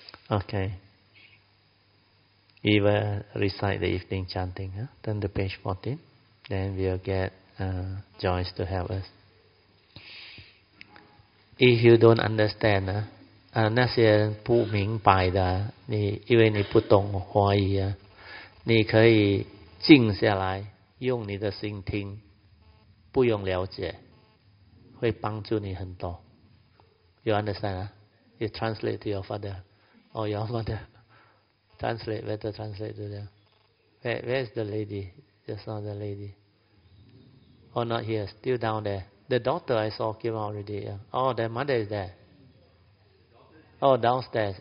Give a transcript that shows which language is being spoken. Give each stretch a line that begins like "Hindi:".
English: Okay. We will recite the evening chanting. Turn to page 14. Then we'll get Joyce to help us. If you don't understand,
Chinese: 那些不明白的，你因为你不懂华语啊，你可以静下来。用你的心听，不用了解，会帮助你很多。
English: You understand? You translate to your father or your mother. Translate, better translate to them. Where is the lady? Just now the lady. Oh, not here. Still down there. The daughter I saw came out already. Oh, the mother is there. Oh, downstairs.